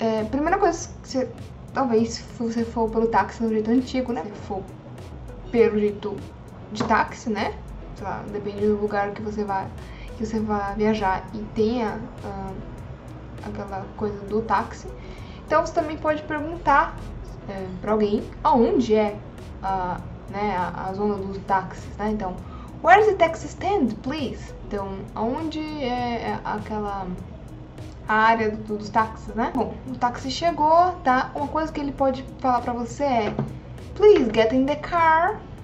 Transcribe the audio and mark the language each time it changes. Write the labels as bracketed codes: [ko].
[pt] Primeira coisa, você, talvez, se você for pelo táxi no jeito antigo, né? Se você for pelo jeito de táxi, né? Sei lá, depende do lugar que você vá viajar e tenha aquela coisa do táxi. Então você também pode perguntar pra alguém aonde é a zona dos táxis, né? [en] Então, where is the taxi stand, please? [pt] Então, aonde é aquela área dos táxis, né? Bom, o táxi chegou, tá? Uma coisa que ele pode falar pra você é [en] please get in the car.